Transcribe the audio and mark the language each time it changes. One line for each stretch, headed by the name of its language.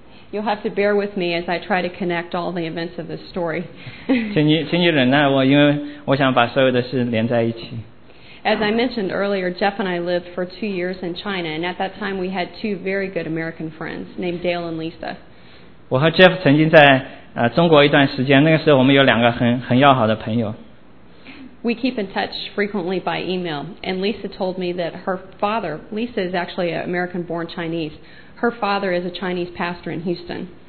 English: You'll have to bear with me as I try to connect all the events of this story.
Chinese: 请你忍耐我，因为我想把所有的事连在一起。
English: As I mentioned earlier, Jeff and I lived for 2 years in China, and at that time we had two very good American friends named Dale and Lisa.
Chinese: 我和 Jeff 曾经在中国一段时间，那个时候我们有两个很要好的朋友。
English: We keep in touch frequently by email, and Lisa told me that her father, Lisa is actually an American-born Chinese. Her father is a Chinese pastor in Houston.